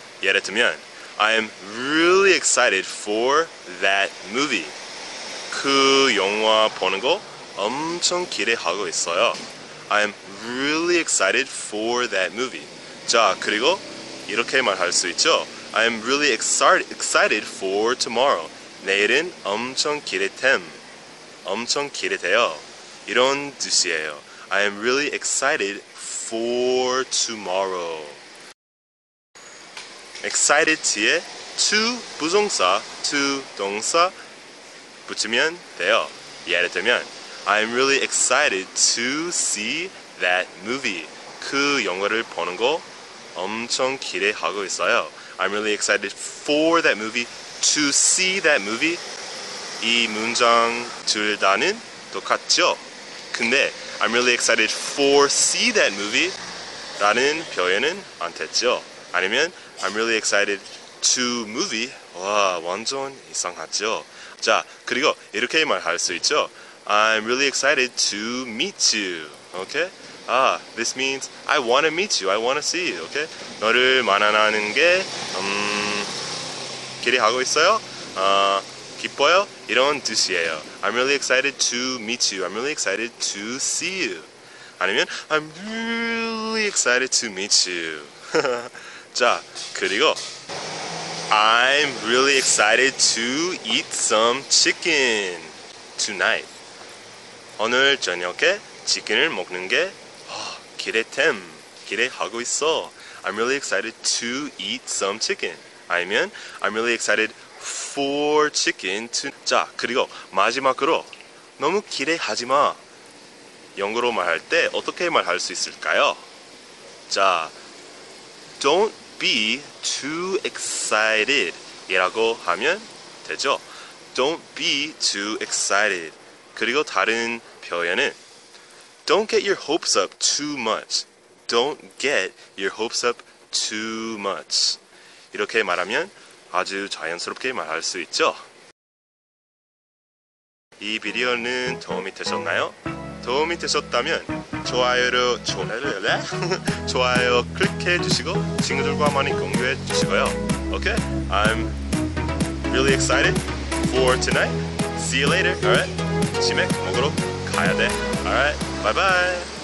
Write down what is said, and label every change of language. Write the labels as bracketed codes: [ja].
[ko] 예를 들면 [en] I am really excited for that movie. [ko] 그 영화 보는 거 엄청 기대하고 있어요. [en] I am really excited for that movie. [ko] 자, 그리고 이렇게 말할 수 있죠. [en] I am really excited for tomorrow. [ko] 내일은 엄청 기대템. 엄청 기대돼요. 이런 뜻이에요. [en] I am really excited for tomorrow. [ko] Excited 뒤에 to 부정사, to 동사 붙이면 돼요. 예를 들면 [en] I am really excited to see that movie. [ko] 그 영화를 보는 거 엄청 기대하고 있어요. [en] I'm really excited for that movie, to see that movie. [ko] 이 문장 둘 다는 똑같죠? 근데 [en] I'm really excited for see that movie [ko] 라는 표현은 안 됐죠? 아니면 [en] I'm really excited to movie. [ko] 와, 완전 이상하죠? 자, 그리고 이렇게 말할 수 있죠? [en] I'm really excited to meet you. Okay? Ah, this means I want to meet you. I want to see you. Okay? [ko] 너를 만나는 게 기대하고 있어요. 기뻐요. 이런 뜻이에요. [en] I'm really excited to meet you. I'm really excited to see you. [ko] 아니면 [en] I'm really excited to meet you. [ko] 자, 그리고 [en] I'm really excited to eat some chicken tonight. [ko] 오늘 저녁에 치킨을 먹는 게 기대템, 기대하고 있어. [en] I'm really excited to eat some chicken. [ko] 아니면 [en] I'm really excited for chicken to... [ko] 자, 그리고 마지막으로 너무 기대하지 마. 영어로 말할 때 어떻게 말할 수 있을까요? 자, [en] don't be too excited [ko] 이라고 하면 되죠. [en] Don't be too excited. [ko] 그리고 다른 표현은 [en] Don't get your hopes up too much. Don't get your hopes up too much. [ko] 이렇게 말하면 아주 자연스럽게 말할 수 있죠. 이 비디오는 도움이 되셨나요? 도움이 되셨다면 좋아요 클릭해 주시고 친구들과 많이 공유해 주시고요. [en] Okay? I'm really excited for tonight. See you later. All right? [ko] 치맥 먹으러 가야 돼. [en] All right? Bye-bye.